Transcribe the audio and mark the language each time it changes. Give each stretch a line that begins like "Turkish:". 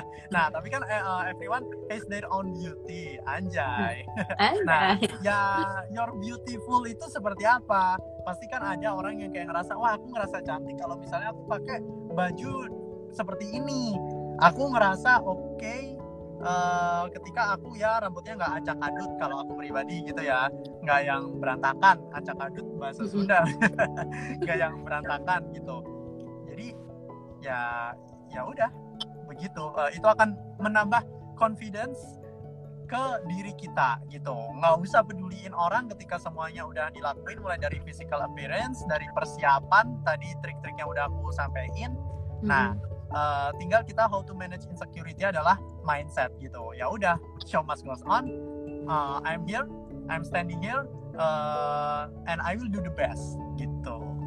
Indonesian: Nah tapi kan
English: everyone has their own beauty,
Indonesian: anjay. Nah ya
English: your beautiful
Indonesian: itu seperti apa, pasti kan ada orang yang kayak ngerasa wah aku ngerasa cantik kalau misalnya aku pakai baju seperti ini, aku ngerasa oke. Ketika aku ya rambutnya gak acak-adut, kalau aku pribadi gitu ya, gak yang berantakan, acak-adut bahasa Sunda, gak yang berantakan gitu. Jadi ya ya udah begitu, itu akan menambah confidence ke diri kita gitu. Gak usah peduliin orang ketika semuanya udah dilakuin, mulai dari
English: physical appearance,
Indonesian: dari persiapan, tadi trik-trik yang udah aku sampaikan. Nah tinggal kita
English: how to manage insecurity
Indonesian: adalah mindset gitu. Ya udah,
English: show must goes on. I'm here, I'm standing here, and I will do the best
Indonesian: gitu.